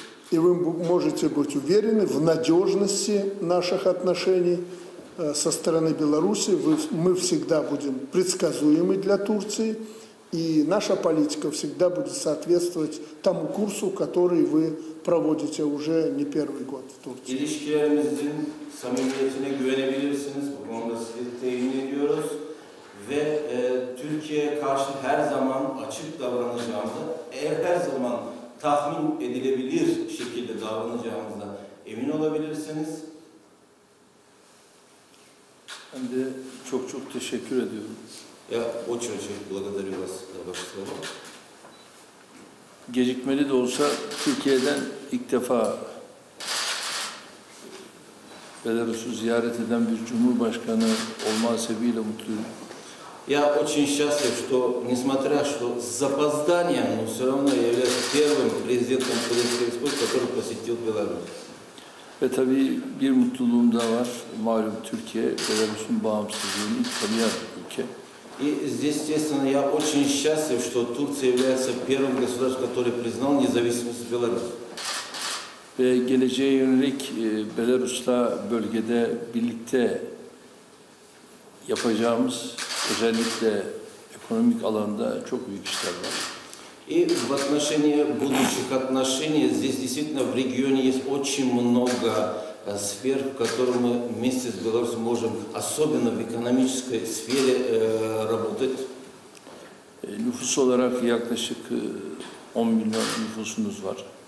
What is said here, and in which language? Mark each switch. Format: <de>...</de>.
<ru>И вы можете быть уверены в надежности наших отношений со стороны Беларуси. Мы всегда будем предсказуемы для Турции. И наша политика всегда будет соответствовать тому курсу, который вы проводите уже не первый год в Турции.</ru> <tr>Ve Türkiye'ye karşı her zaman açık davranacağımıza, eğer her zaman tahmin edilebilir şekilde davranacağımıza emin olabilirsiniz. Ben de çok çok teşekkür ediyorum. Ya o çocuğu</tr> <ru>благодарю вас за вашу.</ru> <tr>Gecikmeli de olsa Türkiye'den ilk defa Belarus'u ziyaret eden bir cumhurbaşkanı olma sebebiyle mutluyum.</tr> <ru>Я очень счастлив, что, несмотря что с запозданием, но все равно я являюсь первым президентом Турецкой Республики, который посетил Беларусь. Это ведь</ru> <tr>bir mutluluğum da var. Malum Türkiye, Belarus'un bağımsızlığını tanıyan ülke.</tr> <ru>И здесь, естественно, я очень счастлив, что Турция является первым государством, который признал независимость Беларуси.</ru> <tr>Ve geleceğe yönelik Belarus'la bölgede birlikte yapacağımız özellikle ekonomik alanda çok büyük işler var.</tr> <ru>И в отношении будущих отношений здесь действительно в регионе есть очень много сфер, в которых мы вместе с Беларусью можем, особенно в экономической сфере, работать.</ru> <tr>Nüfus olarak yaklaşık 10 milyon nüfusunuz var.</tr>